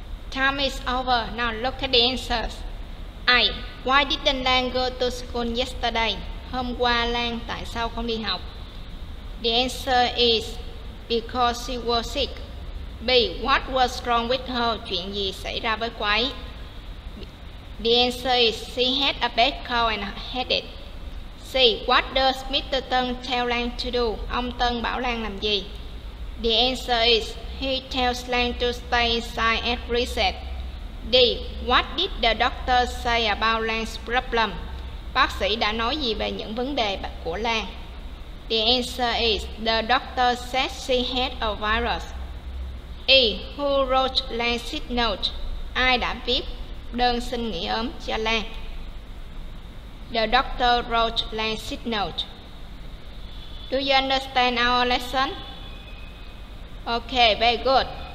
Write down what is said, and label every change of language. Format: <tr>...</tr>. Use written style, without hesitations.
<en>Time is over. Now look at the answers. I. Why didn't Lan go to school yesterday?</en> <vi>Hôm qua Lan tại sao không đi học?</vi> <en>The answer is because she was sick. B. What was wrong with her?</en> <vi>Chuyện gì xảy ra với cô ấy?</vi> <en>The answer is she had a bad cold and headache. C. What does Mr. Tân tell Lan to do?</en> <vi>Ông Tân bảo Lan làm gì?</vi> <en>The answer is he tells Lan to stay inside at recess. D. What did the doctor say about Lan's problem?</en> <vi>Bác sĩ đã nói gì về những vấn đề của Lan?</vi> <en>The answer is the doctor said she had a virus. E. Who wrote Lan's sick note?</en> <vi>Ai đã viết đơn xin nghỉ ốm cho Lan?</vi> <en>The doctor wrote Lan's sick note. Do you understand our lesson? Okay, very good.</en>